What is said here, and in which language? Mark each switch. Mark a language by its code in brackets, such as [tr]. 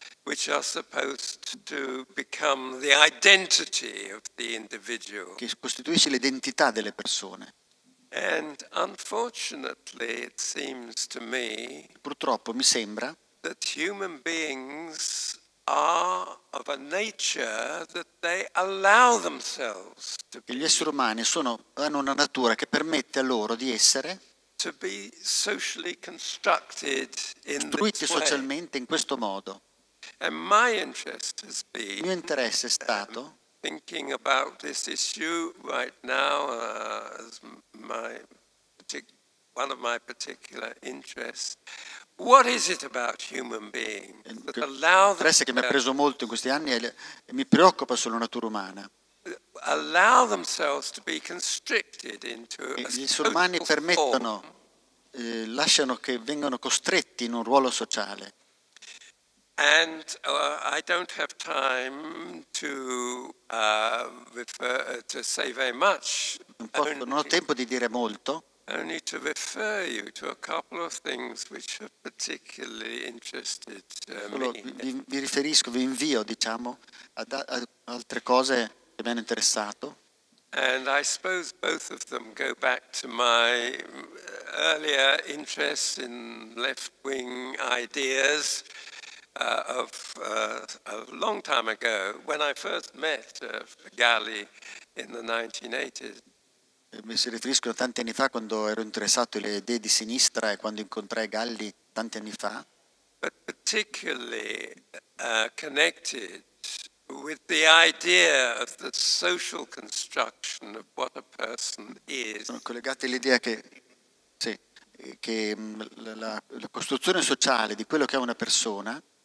[en] Which are supposed to become the identity of the individual. [it] Che costituisce l'identità delle persone. [en] And unfortunately, it seems to me. [it] Purtroppo mi sembra. [en] That human beings are of a nature that they allow themselves to be. [it] Che gli esseri umani hanno una natura che permette a loro di essere. [en] To be socially constructed in this way. [it] Costruiti socialmente in questo modo. [en] And my interest has been, [it] mio interesse è stato [en] thinking about this issue right now as my one of my particular interests. What is it about human beings that allow them? [it] L'interesse che mi ha preso molto in questi anni e mi preoccupa sulla natura umana. [en] Allow themselves to be constricted into a [it] gli esseri umani permettono, lasciano che vengano costretti in un ruolo sociale. [en] And I don't have time to refer to say very much. [it] Non ho tempo di dire molto. [en] Only to refer you to a couple of things which have particularly interested me. [it] Vi riferisco, vi invio, diciamo, ad altre cose che mi hanno interessato. [en] And I suppose both of them go back to my earlier interest in left-wing ideas. A long time ago, when I first met Galli in the 1980s. [it] Mi si riferisco tanti anni fa quando ero interessato alle idee di sinistra e quando incontrai Galli tanti anni fa. [en] But particularly connected with the idea of the social construction of what a person is. [it] Collegati all'idea che sì, che la costruzione sociale di quello che è una persona.